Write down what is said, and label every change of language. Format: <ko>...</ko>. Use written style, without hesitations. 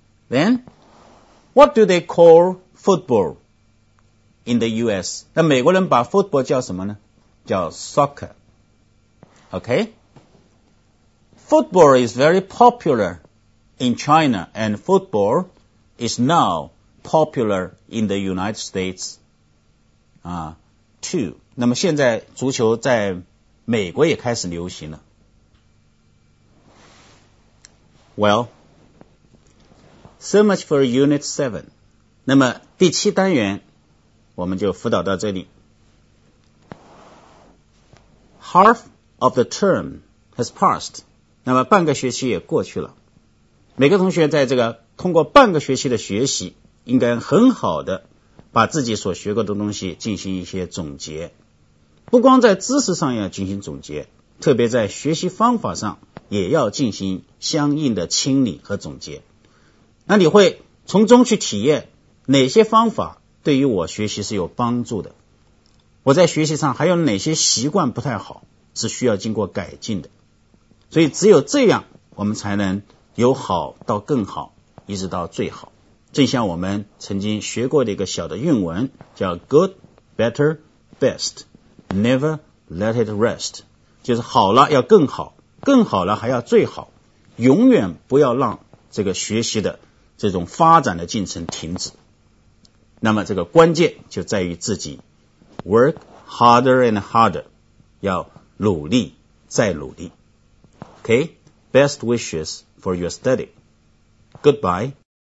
<en>Then, what do they call football in the U.S.?</en> <zh>那美国人把 football 叫什么呢？叫 soccer. Okay?</zh> <en>Football is very popular in China, and football is now popular in the United States, too.</en> <zh>那么现在足球在美国也开始流行了。</zh> <en>Well,So much for Unit 7.</en> <zh>那么第七单元我们就辅导到这里。</zh> <en>Half of the term has passed.</en> <zh>那么半个学期也过去了。每个同学在这个通过半个学期的学习应该很好的把自己所学过的东西进行一些总结。不光在知识上要进行总结，特别在学习方法上也要进行相应的清理和总结。那你会从中去体验哪些方法对于我学习是有帮助的，我在学习上还有哪些习惯不太好，是需要经过改进的。所以只有这样我们才能由好到更好，一直到最好。正像我们曾经学过的一个小的韵文叫</zh> <en>good, better, best, never let it rest,</en> <zh>就是好了要更好，更好了还要最好，永远不要让这个学习的这种发展的进程停止。那么这个关键就在于自己</zh> <en>work harder and harder,</en> <zh>要努力再努力。 OK,</zh> <en>best wishes for your study. Goodbye.</en>